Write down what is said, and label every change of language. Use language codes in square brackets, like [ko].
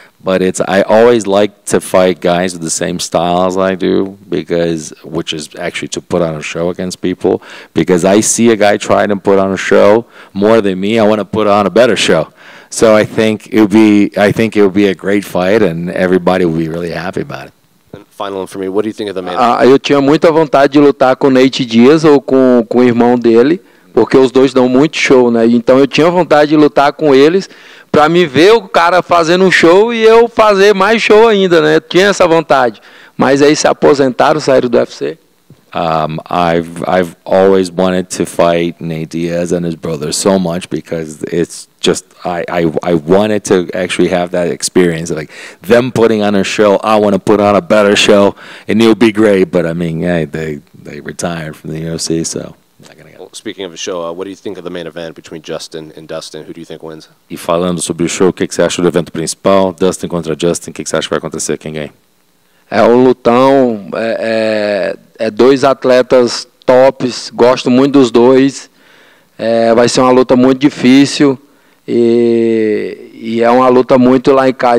[en] But I always like to fight guys with the same style as I do, because which is actually to put on a show against people. Because I see a guy trying to put on a show more than me, I want to put on a better show. So I think it would be a great fight, and everybody would be really happy about it. And final one for me, what do you think of the main? [pt] Eu tinha muita vontade de lutar com Nate Diaz ou com o irmão dele, porque os dois dão muito show, né? Então eu tinha vontade de lutar com eles para me ver o cara fazendo um show e eu fazer mais show ainda, né? Tinha essa vontade. Mas aí se aposentaram, saíram do UFC. [en] I've always wanted to fight Nate Diaz and his brother so much, because it's just I wanted to actually have that experience of like them putting on a show. I want to put on a better show and it'll be great, but I mean, hey, they retired from the UFC, so Speaking of a show, what do you think of the main event between Justin and Dustin? Who do you think wins? [pt] E falando sobre o show, o que você acha do evento principal? Dustin contra Justin, o que você acha que vai acontecer? Quem ganha? É um lutão, é dois atletas tops, gosto muito dos dois. Vai ser uma luta muito difícil e é uma luta muito lá em cá.